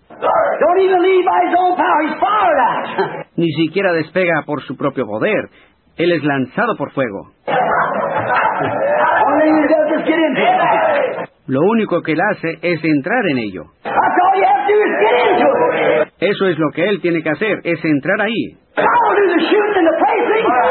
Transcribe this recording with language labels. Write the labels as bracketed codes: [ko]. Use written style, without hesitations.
[en] Don't even leave by his own power. He's fired at. [es] Ni siquiera despega por su propio poder. Él es lanzado por fuego. [en] All he does is get into it. [es] Lo único que él hace es entrar en ello. [en] That's all you have to do is get into it. [es] Eso es lo que él tiene que hacer, es entrar ahí. [en] Power is the shooting and the placing.